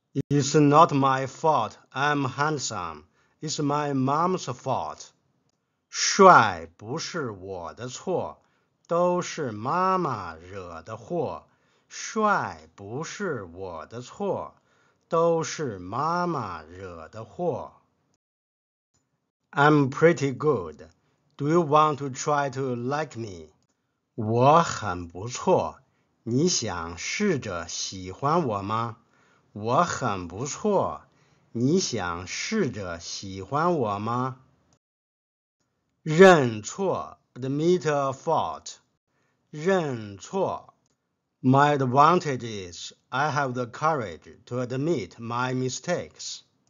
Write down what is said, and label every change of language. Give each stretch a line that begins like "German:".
English: It's not my fault I'm handsome. It's my mom's fault.
Chinese: 帅不是我的错，都是妈妈惹的祸。帅不是我的错，都是妈妈惹的祸。
English: I'm pretty good. Do you want to try to like me?
Chinese: 我很不错，你想试着喜欢我吗？我很不错，你想试着喜欢我吗？
English: 认错 admit a fault. 认错 My advantage is I have the courage to admit my mistakes.